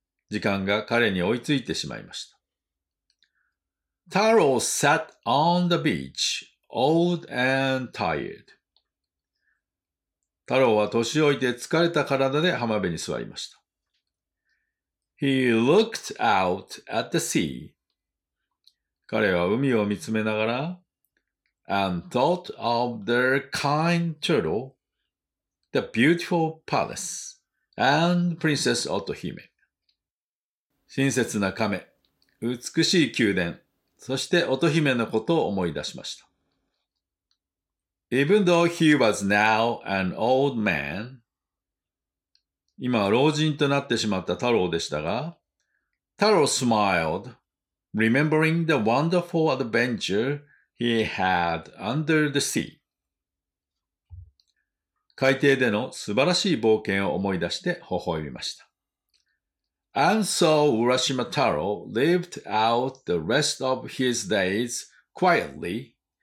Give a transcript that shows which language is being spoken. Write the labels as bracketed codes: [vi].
[ja] 時間が彼に追いついてしまいました。 [en] Taro sat on the beach, old and tired. [ja] 太郎は年老いて疲れた体で浜辺に座りました。 [en] He looked out at the sea. [ja] 彼は海を見つめながら、 [en] and thought of their kind turtle. The beautiful palace and Princess Otohime. [ja] 親切な亀、美しい宮殿、そして乙姫のことを思い出しました。 [en] Even though he was now an old man, [ja] 今は老人となってしまった太郎でしたが、 [en] Taro smiled, remembering the wonderful adventure he had under the sea. [ja] 海底での素晴らしい冒険を思い出して微笑みました。 [en] And so Urashima Taro lived out the rest of his days quietly.